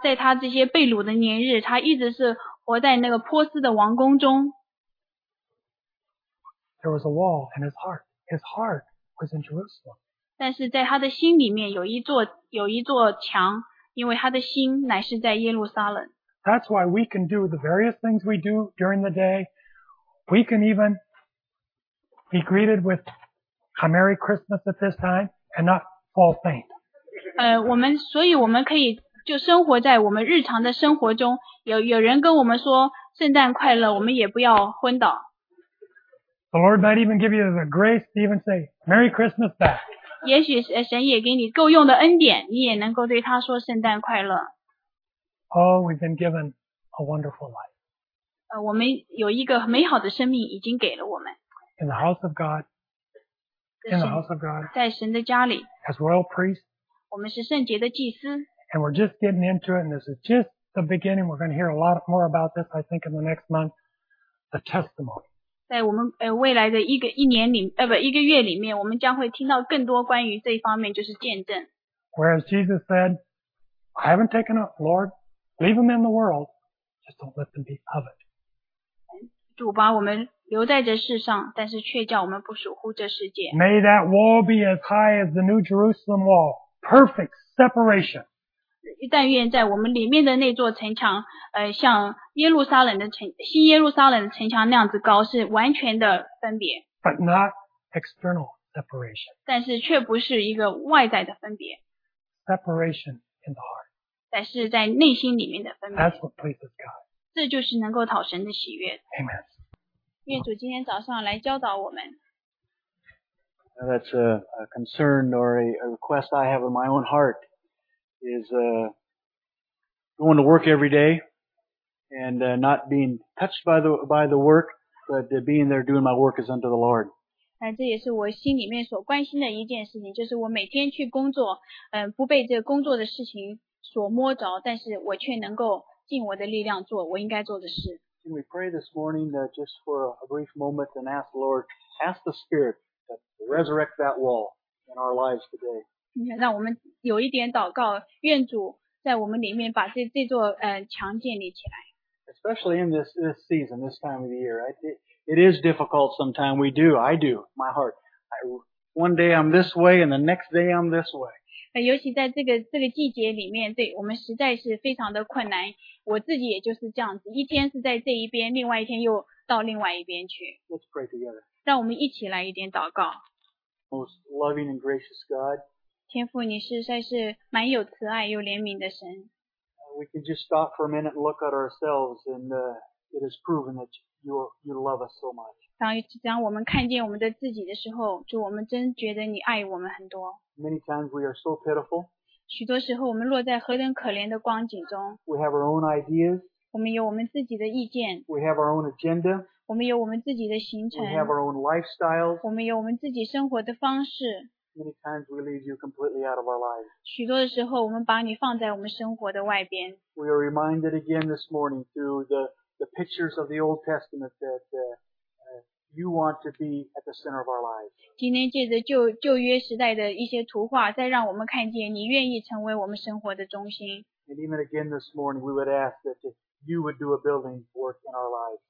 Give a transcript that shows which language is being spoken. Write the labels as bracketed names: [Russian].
[Chinese] 在他这些被掳的年日，他一直是活在那个波斯的王宫中。 [English] There was a wall in his heart. His heart was in Jerusalem. [Chinese] 但是在他的心里面有一座墙，因为他的心乃是在耶路撒冷。 [English] That's why we can do the various things we do during the day. We can even be greeted with a Merry Christmas at this time and not fall faint. [Chinese] 我们可以就生活在我们日常的生活中，有人跟我们说圣诞快乐，我们也不要昏倒。 [English] The Lord might even give you the grace to even say, Merry Christmas back. [Chinese] 也许神也给你够用的恩典，你也能够对他说圣诞快乐。 [English] Oh, we've been given a wonderful life. [Chinese] 我们有一个美好的生命已经给了我们。 [English] In the house of God. In the house of God. [Chinese] 在神的家里。 [English] As royal priests. [Chinese] 我们是圣洁的祭司。 [English] And we're just getting into it, and this is just the beginning. We're going to hear a lot more about this, I think, in the next month. The testimony. [Chinese] 在我们未来的一个月里面，我们将会听到更多关于这一方面，就是见证。 [English] Whereas Jesus said, "I haven't taken up, Lord, leave them in the world, just don't let them be of it." [Chinese] 主把我们留在这世上，但是却叫我们不属乎这世界。 [English] May that wall be as high as the New Jerusalem wall, perfect separation. [Chinese] 但愿在我们里面的那座城墙，像耶路撒冷的城，新耶路撒冷的城墙那样子高，是完全的分别。 [English] But not external separation. [Chinese] 但是却不是一个外在的分别。 [English] Separation in the heart. [Chinese] 但是在内心里面的分别。 [English] That's what pleases God. [Chinese] 这就是能够讨神的喜悦。 [English] Amen. [Chinese] 愿主今天早上来教导我们。 [English] Now that's a concern or a request I have in my own heart. Is going to work every day and not being touched by the work, but being there doing my work is unto the Lord. [Chinese] 这也是我心里面所关心的一件事情，就是我每天去工作，不被这工作的事情所摸着，但是我却能够尽我的力量做我应该做的事。 [English] Can we pray this morning just for a brief moment and ask the Lord, ask the Spirit to resurrect that wall in our lives today? [Chinese] 让我们有一点祷告，愿主在我们里面把这座墙建立起来。 [English] Especially in this season, this time of the year, it is difficult sometimes. I do, my heart. One day I'm this way, and the next day I'm this way. [Chinese] 尤其在这个季节里面，对我们实在是非常的困难。我自己也就是这样子，一天是在这一边，另外一天又到另外一边去。 [English] Let's pray together. [Chinese] 让我们一起来一点祷告。 [English] Most loving and gracious God. [Chinese] 天父，你实在是蛮有慈爱又怜悯的神。 [English] We can just stop for a minute and look at ourselves, and it is proven that you love us so much. [Chinese] 当我们看见我们的自己的时候，主，我们真觉得你爱我们很多。 [English] Many times we are so pitiful. [Chinese] 许多时候我们落在何等可怜的光景中。 [English] We have our own ideas. [Chinese] 我们有我们自己的意见。 [English] We have our own agenda. [Chinese] 我们有我们自己的行程。 [English] We have our own lifestyles. [Chinese] 我们有我们自己生活的方式。 [English] Many times we leave you completely out of our lives. [Chinese] 许多的时候我们把你放在我们生活的外边。 [English] We are reminded again this morning through the pictures of the Old Testament that you want to be at the center of our lives. [Chinese] 今天借着旧约时代的一些图画再让我们看见你愿意成为我们生活的中心。 [English] And even again this morning we would ask that you would do a building work in our lives.